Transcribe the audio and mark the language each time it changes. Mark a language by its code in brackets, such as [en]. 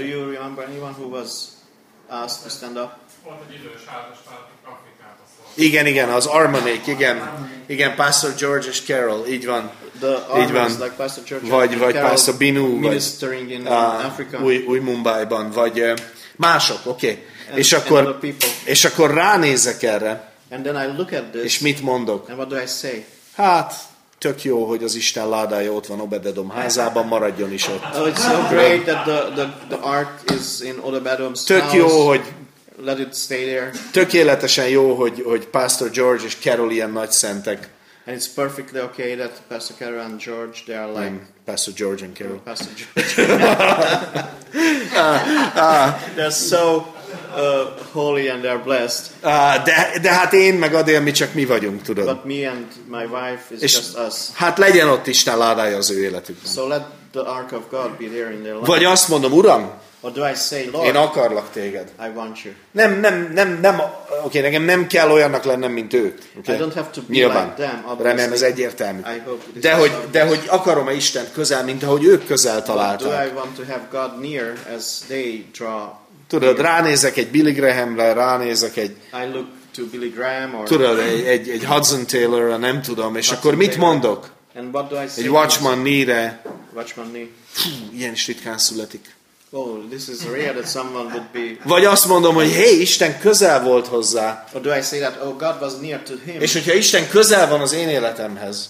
[en] Do you remember anyone who was asked to stand up? [hu] Volt egy idős házas pár, Igen, az Armanék, igen, Pastor George és Carol, így van. Így van. Like Pastor George, vagy Carol, [en] Pastor Binu, ministering [hu] vagy [en] in Africa. [hu] Új Mumbai-ban, vagy mások, oké. Okay. És akkor ránézek erre, [en] and then I look at this, [hu] és mit mondok? [en] And what do I say? [hu] Hát, tök jó, hogy az Isten ládája ott van Obed-Edom házában, maradjon is ott. [en] Oh, it's so great that the ark is in Obed-Edom's house. [hu] Tök jó, hogy [en] let it stay there. [hu] Tökéletesen jó, hogy Pastor George és Carol ilyen nagy szentek. [en] And it's perfectly okay that Pastor Carol and George, they are like Pastor George and Carol. Pastor George. they're so holy and they're blessed. [hu] De hát én meg Adél, mi csak mi vagyunk, tudod. [en] But me and my wife is just us. [hu] Hát legyen ott Isten ládája az ő életükben. [en] So let the ark of God be there in their life. [hu] Vagy azt mondom, Uram, [en] Or do I say, Lord? [hu] Én akarlak téged. [en] I want you. [hu] Nem. Okay, nekem nem kell olyannak lennem, mint ők. [en] Okay? I don't have to be [hu] nyilván. [en] Like them. Obviously. [hu] Remélem, ez egyértelmű. De hogy akarom a Istent közel, mint ahogy ők közel találták. [en] But do I want to have God near as they draw? [hu] Tudod, ránézek egy Billy Grahamre, ránézek egy. [en] I look to Billy Graham or. [hu] Tudod, egy Hudson Taylorra, nem tudom, és akkor mit mondok? [en] And what do I say? [hu] Egy Watchman Nee-re. [en] Watchman Nee. [hu] Fú, ilyen is ritkán születik. [en] Oh, this is rare that someone would be. [hu] Vagy azt mondom, hogy hey, Isten közel volt hozzá. [en] Or do I say that, oh, God was near to him. [hu] És hogyha Isten közel van az én életemhez.